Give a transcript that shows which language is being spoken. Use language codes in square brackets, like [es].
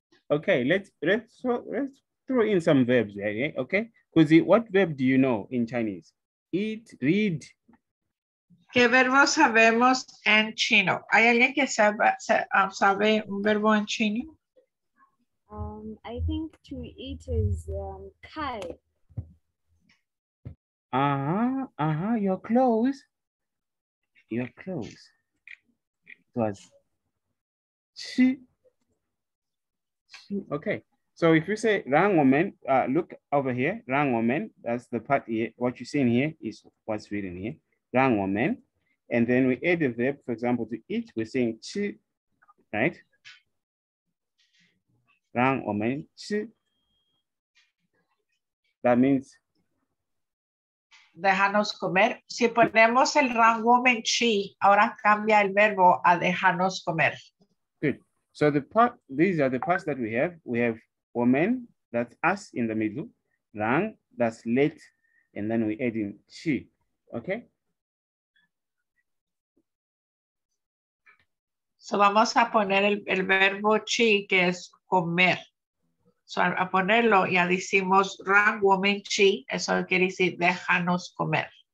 [en] Okay, let's throw in some verbs there, yeah? Okay? Kuzi, what verb do you know in Chinese? Eat, read. [es] ¿Qué verbo sabemos en chino? ¿Hay alguien que sabe un verbo en chino? [en] I think to eat is kai. You're close. It was chi. Okay. So if you say rang woman, look over here, rang woman, that's the part here. What you see in here is what's written here, rang woman. And then we add the verb, for example, to eat, we're saying chi, right? Rang woman chi. That means? [es] Dejanos comer. Si ponemos el rang woman chi, ahora cambia el verbo a dejanos comer. [en] Good. So the part, these are the parts that we have. We have woman, that's us in the middle, rang, that's late, and then we add in chi, okay? [es] So vamos a poner el verbo chi, que es comer. So a ponerlo, ya decimos rang, woman, chi, eso quiere decir déjanos comer.